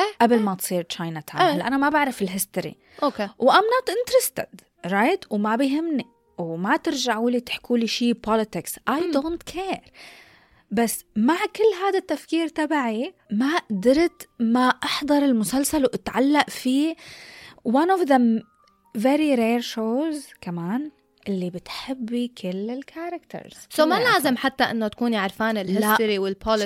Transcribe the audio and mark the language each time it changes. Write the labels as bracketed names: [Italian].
[Arabic] قبل ما تصير تشاينا تاون. هلا أنا ما بعرف الهيستوري. أوكي. [English] وأم not interested right, [Arabic] وما بيهمني، وما ترجعوا لي تحكوا لي شيء بوليتكس. [English] I don't care. [Arabic] بس مع كل هذا التفكير تبعي ما قدرت ما أحضر المسلسل وأتعلق فيه. [English] One of the very rare shows [Arabic] كمان اللي بتحبي كل الكاركترز. [English] So [Arabic] ما لازم حتى أنه تكوني عارفان الهيستوري والبوليتكس.